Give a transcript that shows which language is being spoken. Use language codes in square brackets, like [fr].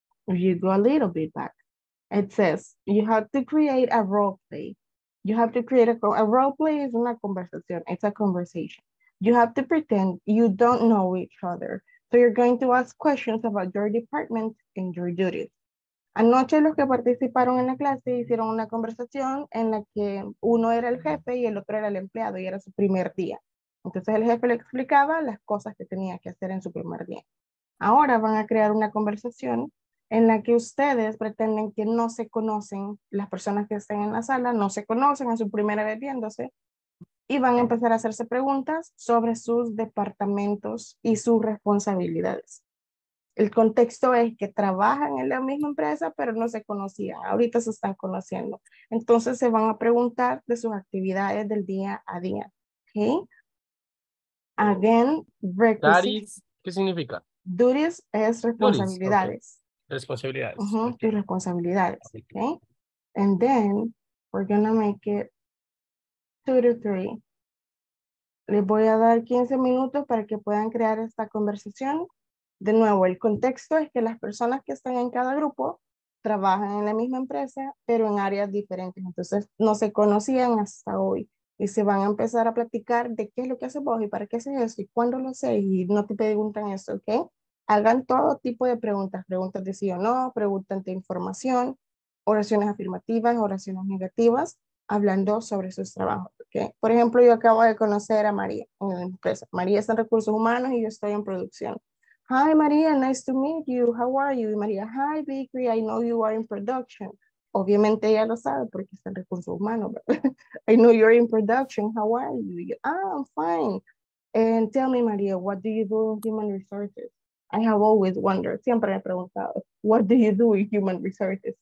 [en] If you go a little bit back, it says you have to create a role play. You have to create a role play is [es] una conversación. [en] It's a conversation. You have to pretend you don't know each other. So you're going to ask questions about your department and your duties. [es] Anoche los que participaron en la clase hicieron una conversación en la que uno era el jefe y el otro era el empleado y era su primer día. Entonces el jefe le explicaba las cosas que tenía que hacer en su primer día. Ahora van a crear una conversación en la que ustedes pretenden que no se conocen, las personas que estén en la sala no se conocen, es su primera vez viéndose, y van a empezar a hacerse preguntas sobre sus departamentos y sus responsabilidades. El contexto es que trabajan en la misma empresa, pero no se conocían. Ahorita se están conociendo. Entonces se van a preguntar de sus actividades del día a día. [en] ¿Okay? Again, [es] requisites. ¿Qué significa? Duties es responsabilidades. Duties, okay. Responsabilidades. Uh-huh. Okay. Y responsabilidades. ¿Okay? [en] And then, we're going to make it 2 to 3. [es] Les voy a dar 15 minutos para que puedan crear esta conversación. De nuevo, el contexto es que las personas que están en cada grupo trabajan en la misma empresa, pero en áreas diferentes. Entonces, no se conocían hasta hoy. Y se van a empezar a platicar de qué es lo que haces vos y para qué haces eso y cuándo lo haces. Y no te preguntan eso, ¿ok? Hagan todo tipo de preguntas. Preguntas de sí o no, preguntas de información, oraciones afirmativas, oraciones negativas, hablando sobre sus trabajos, ¿ok? Por ejemplo, yo acabo de conocer a María en la empresa. María está en recursos humanos y yo estoy en producción. [en] Hi, María, nice to meet you. How are you? María, hi, Vickery, I know you are in production. [es] Obviamente ella lo sabe porque está en recursos humanos. [en] I know you're in production. How are you? Ah, I'm fine. And tell me, María, what do you do in human resources? I have always wondered, [es] siempre he preguntado, [en] what do you do in human resources?